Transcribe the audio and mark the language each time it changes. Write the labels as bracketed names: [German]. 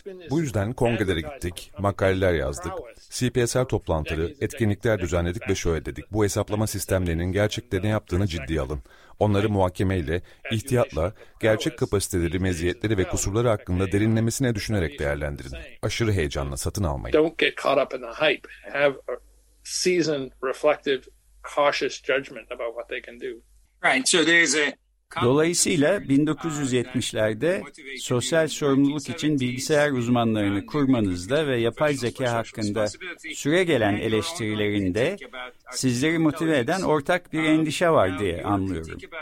[Turkish] Bu yüzden kongrelere gittik, makaleler yazdık, CPSR toplantıları, etkinlikler düzenledik ve şöyle dedik, bu hesaplama sistemlerinin gerçekte ne yaptığını ciddiye alın. Onları muhakemeyle, ihtiyatla, gerçek kapasiteleri, meziyetleri ve kusurları hakkında derinlemesine düşünerek değerlendirin. Aşırı heyecanla satın almayın. [English] Don't get caught up in the hype. Have a seasoned, reflective, cautious judgment about what they can do. Right, so there's a... [Turkish] Dolayısıyla 1970'lerde sosyal sorumluluk için bilgisayar uzmanlarını kurmanızda ve yapay zeka hakkında süre gelen eleştirilerinde sizleri motive eden ortak bir endişe var diye anlıyorum.